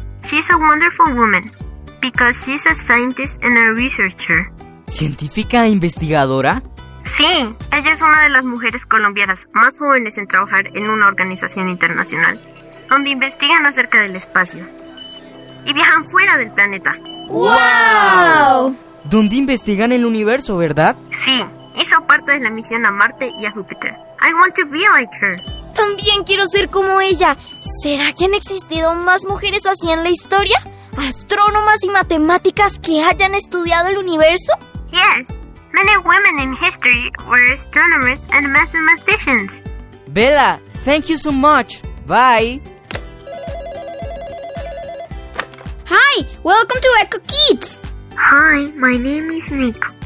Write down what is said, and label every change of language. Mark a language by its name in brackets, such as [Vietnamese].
[English] She's a wonderful woman because she's a scientist and a researcher. [Spanish] ¿Científica e investigadora? Sí, ella es una de las mujeres colombianas más jóvenes en trabajar en una organización internacional donde investigan acerca del espacio y viajan fuera del planeta. ¡Wow! Donde investigan el universo, ¿verdad? Sí, hizo parte de la misión a Marte y a Júpiter. [English] I want to be like her. [Spanish] También quiero ser como ella. ¿Será que han existido más mujeres así en la historia? ¿Astrónomas y matemáticas que hayan estudiado el universo? [English] Yes, many women in history were astronomers and mathematicians. Bella, thank you so much. Bye. Hi, welcome to Echo Kids. Hi, my name is Nick.